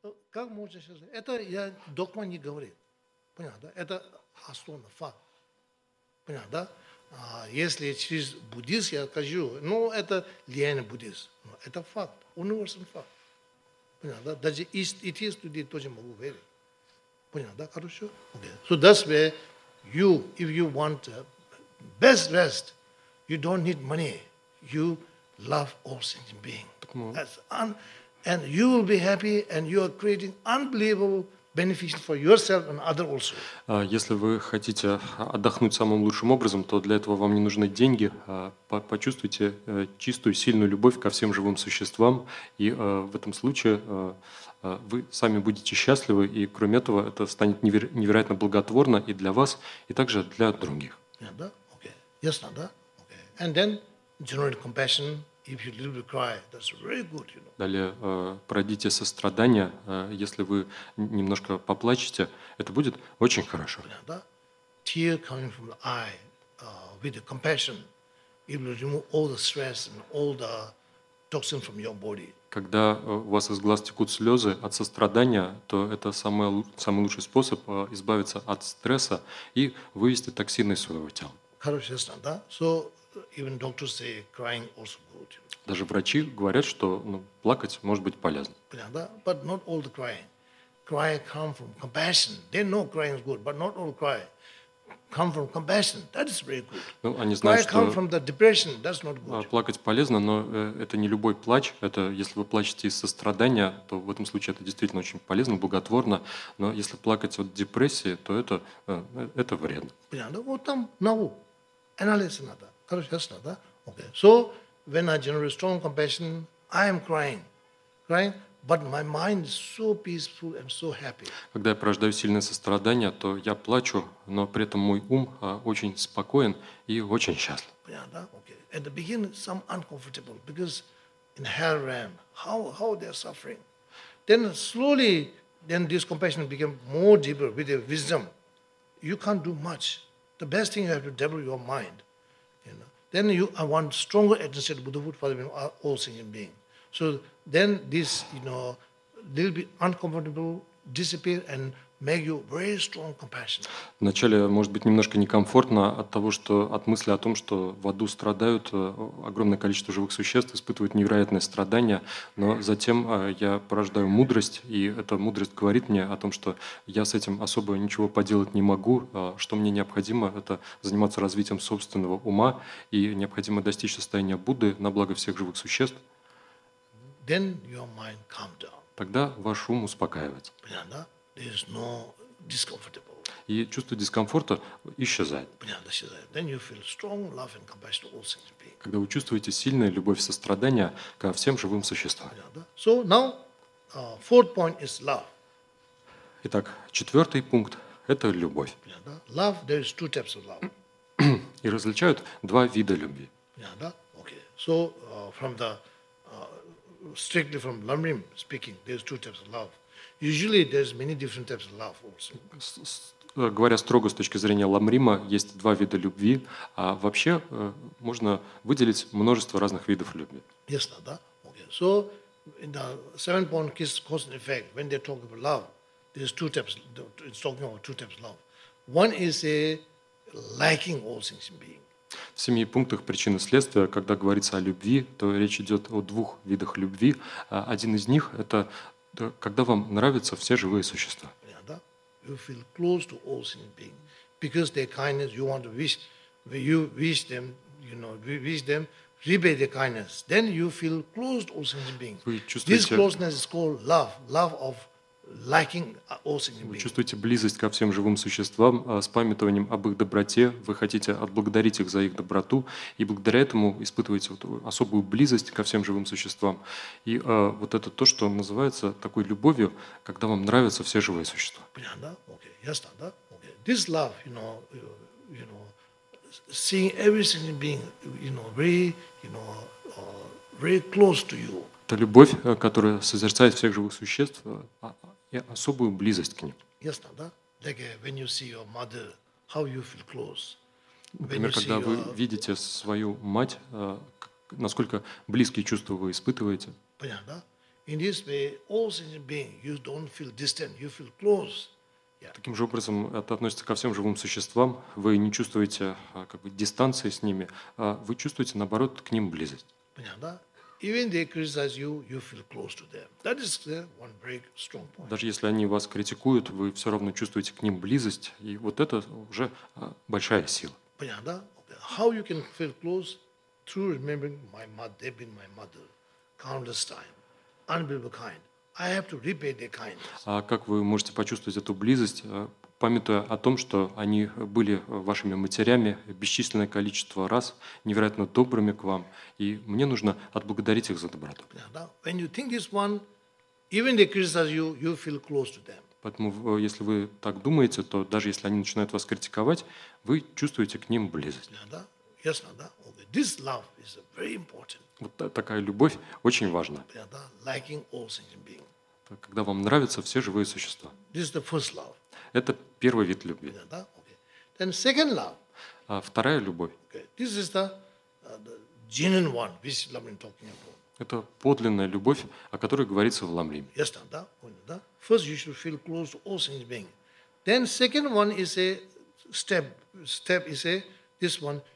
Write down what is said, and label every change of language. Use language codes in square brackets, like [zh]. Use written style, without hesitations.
[ru] Как можно сейчас? Это я докма не говорит. Понял, да? Это основной факт. Понял, да? А если через буддист, я скажу, ну, это лияние буддист. Это факт, универсальный факт. Понял, да? Даже и те студии тоже могу верить. Понял, да? Хорошо? Okay. [en] So that's where you, if you want best rest, you don't need money. You love all sentient beings. And you will be happy and you are creating unbelievable benefits for yourself and others also. [ru] Если вы хотите отдохнуть самым лучшим образом, то для этого вам не нужны деньги. Почувствуйте чистую, сильную любовь ко всем живым существам. И в этом случае вы сами будете счастливы. И кроме этого, это станет невероятно благотворно и для вас, и также для других. [en] Yeah, да? Okay. [ru] Ясно, да? [en] Okay. And then generate compassion. If you little cry, that's very good, you know. [ru] Далее пройдите сострадание, если вы немножко поплачете, это будет очень хорошо. Да? [en] Tear coming from the eye, with the compassion, it will remove all the stress and all the toxins from your body. [ru] Когда у вас из глаз текут слезы от сострадания, то это самый лучший способ избавиться от стресса и вывести токсины из своего тела. Хорошо, ясно, да? [en] So, even doctors say crying also good. [ru] Даже врачи говорят, что ну, плакать может быть полезно. Понятно, да? [en] But not all the crying. Cry come from compassion. They know crying is good, but not all cry come from compassion. That is very good. [ru] Ну, они знают, [en] cry come from the depression. That's not good. [ru] Плакать полезно, но это не любой плач. Это если вы плачете из сострадания, то в этом случае это действительно очень полезно, благотворно. Но если плакать от депрессии, то это вредно. Понятно, да? Вот там наука. Анализ надо. Хорошо, ясно, да? Okay. [en] So, when I generate strong compassion, I am crying, but my mind is so peaceful and so happy. [ru] Когда я порождаю сильное сострадание, то я плачу, но при этом мой ум очень спокоен и очень счастлив. Понятно, да? Okay. [en] At the beginning, some uncomfortable, because in hell realm, how they are suffering. Then slowly, then this compassion became more deeper with your wisdom. You can't do much. The best thing you have to develop your mind. Then I want stronger attention to Buddha, Father, and all sentient beings. So then this, you know, little bit uncomfortable disappear and make you very strong compassion. [ru] Вначале может быть немножко некомфортно от того, что от мысли о том, что в аду страдают огромное количество живых существ, испытывают невероятные страдания, но затем я порождаю мудрость, и эта мудрость говорит мне о том, что я с этим особо ничего поделать не могу, что мне необходимо, это заниматься развитием собственного ума, и необходимо достичь состояния Будды на благо всех живых существ. [en] Then your mind calm down. [ru] Тогда ваш ум успокаивается. Понятно, да? [en] There is no discomfortable. [ru] И чувство дискомфорта исчезает. Понятно, исчезает. [en] Then you feel strong love and compassion to all sentient beings. [ru] Когда вы чувствуете сильную любовь и сострадание ко всем живым существам. Понятно. [en] So now, fourth point is love. [ru] Итак, четвертый пункт это любовь. [en] Yeah, да? Love, there is two types of love. [ru] И различают два вида любви. [en] Yeah, да? Okay. So, from the strictly from Lamrim speaking, there is two types of love. Usually there is many different types of love also. [ru] Говоря строго с точки зрения Ламрима, есть два вида любви, а вообще можно выделить множество разных видов любви. [en] Yes, no, да? Okay. So in the seven point kiss cause and effect, when they talk about love, there's two types. It's talking about two types of love. One is a liking all things in being. [ru] В семи пунктах причины следствия, когда говорится о любви, то речь идет о двух видах любви. Один из них – это когда вам нравятся все живые существа. [en] You feel close to all sentient beings because their kindness. You want to wish them, you know, wish them, repay their kindness. Then you feel close to all sentient beings. This closeness is called love, love of liking all sentient beings. [ru] Вы чувствуете близость ко всем живым существам с памятованием об их доброте. Вы хотите отблагодарить их за их доброту и благодаря этому испытываете вот особую близость ко всем живым существам. И вот это то, что называется такой любовью, когда вам нравятся все живые существа. [en] Да? Okay. Yes, да? Okay. This love, you know, seeing every sentient being, very close to you. [ru] Это любовь, которая созерцает всех живых существ. И особую близость к ним. [en] Yes, no, да? Like, when you see your mother, how you feel close. [ru] Например, когда вы видите свою мать, насколько близкие чувства вы испытываете? Понятно, да? [en] In this way, all sentient beings, you don't feel distant, you feel close. Yeah. [ru] Таким же образом это относится ко всем живым существам. Вы не чувствуете как бы дистанции с ними, а вы чувствуете наоборот к ним близость. Понятно, да? [en] Even they criticize you, you feel close to them. That is the one very strong point. [ru] Даже если они вас критикуют, вы все равно чувствуете к ним близость, и вот это уже большая сила. Понятно, да? [en] How you can feel close through remembering my mother? They've been my mother countless times, unbelievable kind. I have to repay their kindness. [ru] А как вы можете почувствовать эту близость? Памятуя о том, что они были вашими матерями бесчисленное количество раз, невероятно добрыми к вам, и мне нужно отблагодарить их за доброту. [en] When you think this one, even they criticize you, you feel close to them. [ru] Поэтому, если вы так думаете, то даже если они начинают вас критиковать, вы чувствуете к ним близость. [en] Yes, no, да? Okay. This love is very important. [ru] Вот такая любовь очень важна. [en] Liking all sentient beings. [ru] Когда вам нравятся все живые существа. [en] This is the first love. [ru] Это первый вид любви. [en] Yeah, да? Okay. Then second love. [ru] А вторая любовь. [en] Okay. This is the genuine one, which Lamrim talking about. [ru] Это подлинная любовь, о которой говорится в Ламриме. [en] Yes, да? Okay, да? First you should feel close to all sentient beings. Then second one is a step is a this one.